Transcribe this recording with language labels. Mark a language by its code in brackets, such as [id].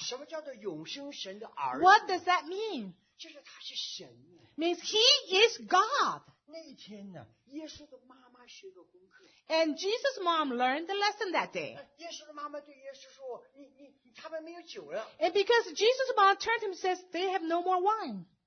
[zh] 什么叫做永生神的儿子？ [en] What does that mean? [zh] 就是他是神。 [en] Means he is God. [zh] 那一天呢，耶稣的妈妈学个功课。 [en] And Jesus' mom learned the lesson that day. [zh] 耶稣的妈妈对耶稣说，你 [en] And because Jesus about turned to him and says, they have no more wine.